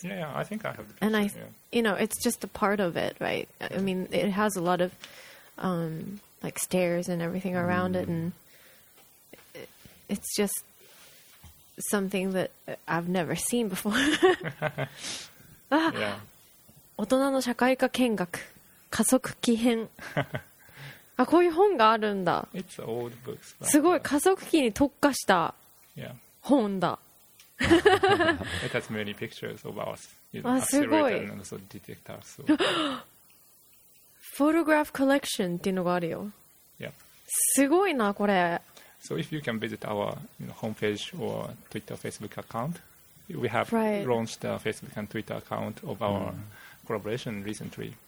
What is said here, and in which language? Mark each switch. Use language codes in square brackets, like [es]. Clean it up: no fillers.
[en] Yeah, I think I have the picture. And you know, it's just a part of it, right? I mean, it has a lot of like stairs and everything around it, and it's just something that I've never seen before. Yeah. [ja] 大人の社会科見学加速期編。あ、こういう本があるんだ。 [en] It's old books. [ja] すごい加速期に特化した本だ。 [en] It has many pictures of us, you know, accelerator and also detector. So. [ja] Photograph collection っていうのがあるよ。 [en] Yep. [ja] すごいなこれ。 [en] So if you can visit our, you know, homepage or Twitter, Facebook account, we have launched a Facebook and Twitter account of our collaboration recently.